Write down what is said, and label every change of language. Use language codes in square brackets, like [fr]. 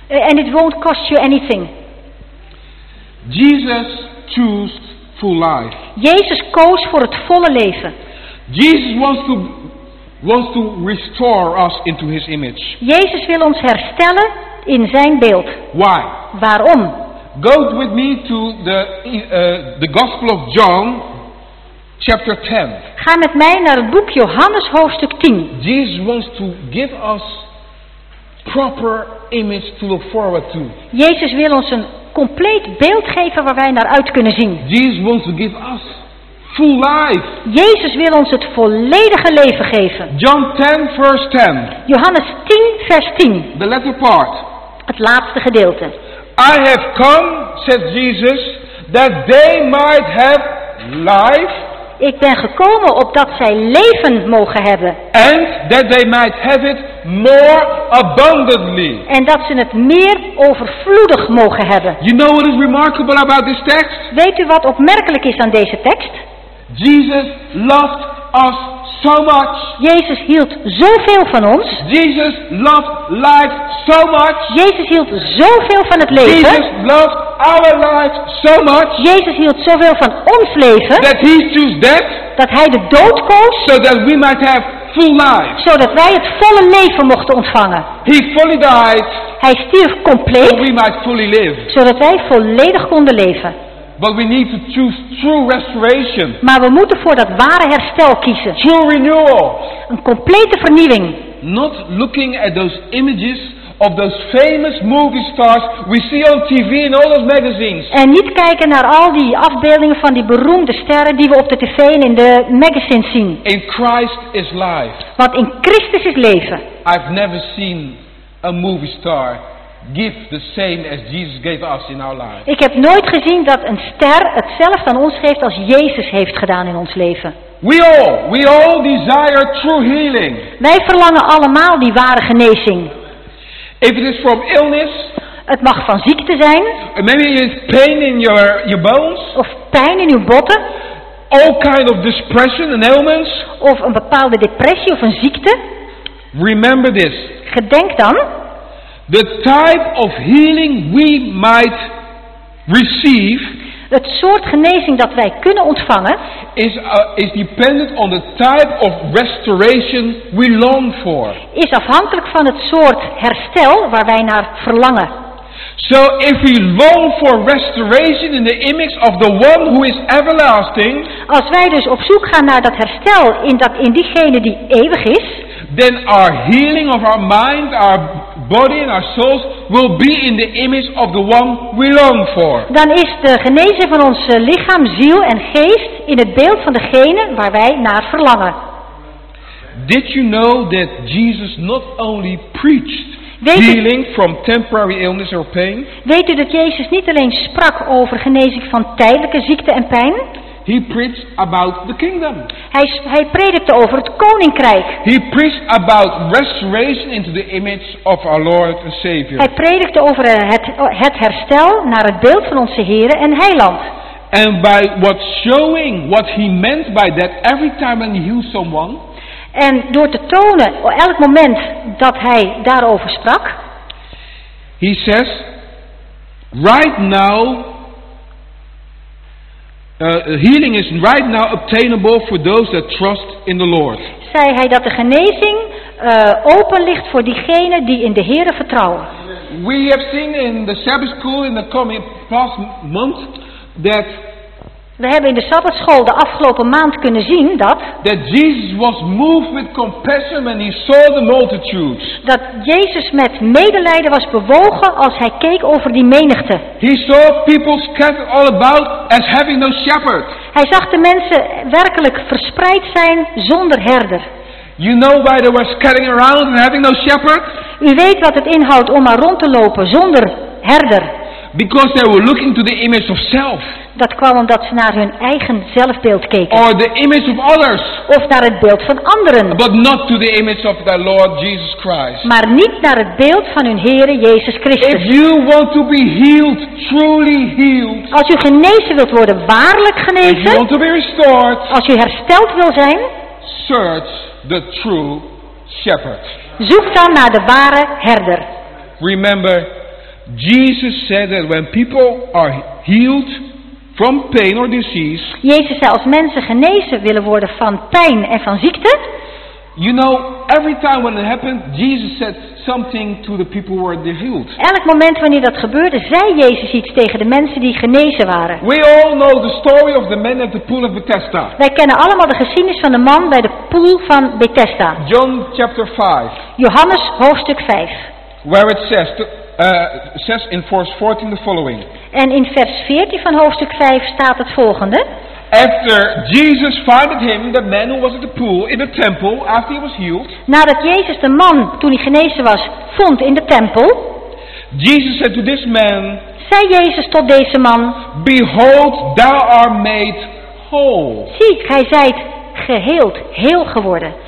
[en] And it won't cost you anything. Jesus chose full life. [nl] Jezus koos voor het volle leven. [en] Jesus wants to restore us into His image. [nl] Jezus wil ons herstellen in zijn beeld. [en] Why? [nl] Waarom? [en] Go with me to the Gospel of John, chapter 10. [nl] Ga met mij naar het boek Johannes hoofdstuk 10. [en] Jesus wants to give us proper image to look forward to. [nl] Jezus wil ons een compleet beeld geven waar wij naar uit kunnen zien. [en] Jesus wants to give us full life. [nl] Jezus wil ons het volledige leven geven. [en] John 10, verse 10. [nl] Johannes 10, vers 10. [en] The latter part. [nl] Het laatste gedeelte. [en] I have come, said Jesus, that they might have life [nl] Ik ben gekomen opdat zij leven mogen hebben. [en] And that they might have it more abundantly. [nl] En dat ze het meer overvloedig mogen hebben. [en] You know what is remarkable about this text? [nl] Weet u wat opmerkelijk is aan deze tekst? [en] Jesus loved us so much. [nl] Jezus hield zoveel van ons. [en] Jesus loved life so much. [nl] Jezus hield zoveel van het leven. [en] Jesus loved our lives so much. [nl] Jezus hield zoveel van ons leven. [en] That he chose death. [nl] Dat hij de dood koos. [en] So that we might have full life. [nl] Zodat wij het volle leven mochten ontvangen. [en] He fully died. [nl] Hij stierf compleet. [en] So we might fully live. [nl] Zodat wij volledig konden leven. [en] But we need to choose true restoration. [nl] Maar we moeten voor dat ware herstel kiezen. [en] True renewal. [nl] Een complete vernieuwing. [en] Not looking at those images of those famous movie stars we see on TV in all those magazines. [nl] En niet kijken naar al die afbeeldingen van die beroemde sterren die we op de tv en in de magazines zien. [en] In Christ is life. [nl] Want in Christus is leven. [en] I've never seen a movie star give the same as Jesus gave us in our lives. [nl] Ik heb nooit gezien dat een ster hetzelfde aan ons geeft als Jezus heeft gedaan in ons leven. [en] We all desire true healing. [nl] Wij verlangen allemaal die ware genezing. [en] If it is from illness, [nl] het mag van ziekte zijn. [en] Maybe it is pain in your bones. [nl] Of pijn in uw botten. [en] All kind of depression and ailments. [nl] Of een bepaalde depressie of een ziekte. [en] Remember this. [nl] Gedenk dan. [en] The type of healing we might receive, [nl] het soort genezing dat wij kunnen ontvangen, [en] is dependent on the type of restoration we long for. [nl] Is afhankelijk van het soort herstel waar wij naar verlangen. [en] So if we long for restoration in the image of the one who is everlasting, [nl] als wij dus op zoek gaan naar dat herstel in diegene die eeuwig is, [en] then our healing of our mind, our body and our souls will be in the image of the one we long for. [nl] Dan is de genezing van ons lichaam, ziel en geest in het beeld van degene waar wij naar verlangen. [en] Did you know that Jesus not only preached healing from temporary illness or pain? [nl] Weet u dat Jezus niet alleen sprak over genezing van tijdelijke ziekte en pijn? [en] He preached about the kingdom. [nl] Hij predikte over het koninkrijk. [en] He preached about restoration into the image of our Lord and Savior. [nl] Hij predikte over het herstel naar het beeld van onze Here en Heiland. [en] And by what showing what he meant by that every time when he healed someone. [nl] En door te tonen elk moment dat hij daarover sprak. [en] He says, right now. Healing is right now obtainable for those that trust in the Lord. [nl] Zei hij dat de genezing open ligt voor diegenen die in de Heere vertrouwen. [en] We have seen in the Sabbath school in the coming past month that. [nl] We hebben in de Sabbatschool de afgelopen maand kunnen zien dat. [en] That Jesus was moved with compassion when he saw the multitudes. [nl] Dat Jezus met medelijden was bewogen als hij keek over die menigte. [en] He saw people scattered all about as having no shepherd. [nl] Hij zag de mensen werkelijk verspreid zijn zonder herder. [en] You know why they were scattering around and having no shepherd? [nl] U weet wat het inhoudt om maar rond te lopen zonder herder. [en] Because they were looking to the image of self. [nl] Dat kwam omdat ze naar hun eigen zelfbeeld keken. [en] Or the image of others. [nl] Of naar het beeld van anderen. [en] But not to the image of the Lord Jesus Christ. [nl] Maar niet naar het beeld van hun Heere Jezus Christus. [en] If you want to be healed, truly healed. [nl] Als u genezen wilt worden, waarlijk genezen. [en] If you want to be restored. [nl] Als u hersteld wil zijn. [en] Search the true shepherd. [nl] Zoek dan naar de ware herder. [en] Remember, Jesus said that when people are healed from pain or disease. [nl] Jezus zei als mensen genezen willen worden van pijn en van ziekte. [en] You know, every time when it happened, Jesus said something to the people who were healed. [nl] Elk moment wanneer dat gebeurde, zei Jezus iets tegen de mensen die genezen waren. [en] We all know the story of the man at the pool of Bethesda. [nl] Wij kennen allemaal de geschiedenis van de man bij de poel van Bethesda. [en] John chapter 5. [nl] Johannes hoofdstuk 5. [en] Where it says says in verse 14 the following. [nl] En in vers 14 van hoofdstuk 5 staat het volgende. [en] After Jesus found him, the man who was at the pool in the temple after he was healed. [nl] Nadat Jezus de man toen hij genezen was vond in de tempel. [en] Jesus said to this man. [nl] Zei Jezus tot deze man. [en] Behold, thou art made whole. [nl] Zie, gij zijt geheeld, heel geworden.